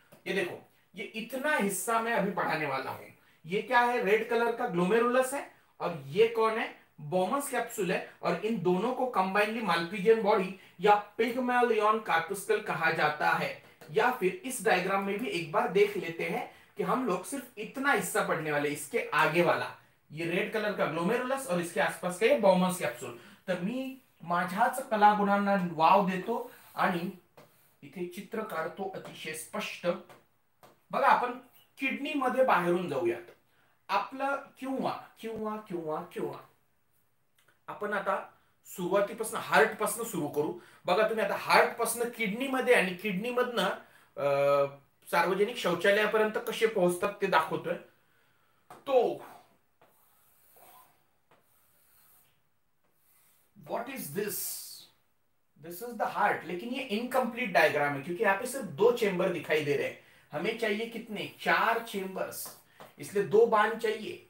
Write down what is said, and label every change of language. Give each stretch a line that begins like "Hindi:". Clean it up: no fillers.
Hindi: ये देखो ये इतना हिस्सा मैं अभी पढ़ाने वाला हूं। ये क्या है, रेड कलर का ग्लोमेरुलस है और ये कौन है, बॉमस कैप्सूल है, और इन दोनों को कंबाइनली माल्पिजियन बॉडी या पिग्मेलियन कार्पस्कल कहा जाता है। या फिर इस डायग्राम में भी एक बार देख लेते हैं कि हम लोग सिर्फ इतना हिस्सा पढ़ने वाले, इसके आगे वाला ये रेड कलर का ग्लोमेरुलस और इसके आसपास का ये बॉमस कैप्सूल।
Marathi: तर मी माझ्याच कला गुणांना वाव देतो आणि इथे चित्र काढतो अतिशय स्पष्ट। बघा आपण किडनी मध्ये बाहेरून जाऊयात आपलं, किंवा किंवा किंवा किंवा आपण आता सुरुवातीपासून हार्ट पासून सुरू करू। बघा तुम्ही आता हार्ट पासून किडनी मध्ये आणि किडनी मधनं सार्वजनिक शौचालयापर्यंत कसे पोहोचतात ते दाखवतोय।
Hindi: तो
English: what is this, this is the heart,
Hindi: लेकिन ये इनकम्प्लीट डायग्राम है क्योंकि यहाँ पे सिर्फ दो चेंबर दिखाई दे रहे हैं। हमें चाहिए कितने, चार चेंबर्स, इसलिए दो बाण चाहिए।